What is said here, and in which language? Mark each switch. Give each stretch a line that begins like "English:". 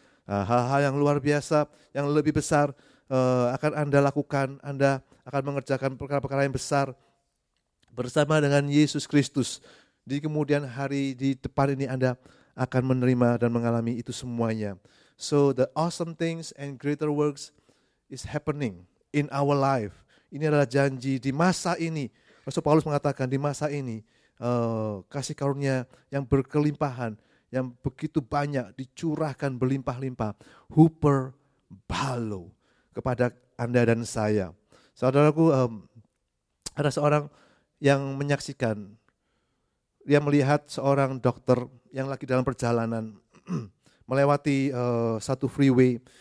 Indonesian: Hal-hal yang luar biasa, yang lebih besar akan Anda lakukan, Anda akan mengerjakan perkara-perkara yang besar bersama dengan Yesus Kristus. Di kemudian hari di depan ini Anda akan menerima dan mengalami itu semuanya.
English: So the awesome things and greater works is happening in our life.
Indonesian: Ini adalah janji di masa ini. Rasul Paulus mengatakan di masa ini kasih karunia yang berkelimpahan, yang begitu banyak dicurahkan berlimpah-limpah, hyperbalo kepada Anda dan saya. Saudaraku, ada seorang yang menyaksikan, dia melihat seorang dokter yang lagi dalam perjalanan melewati satu freeway.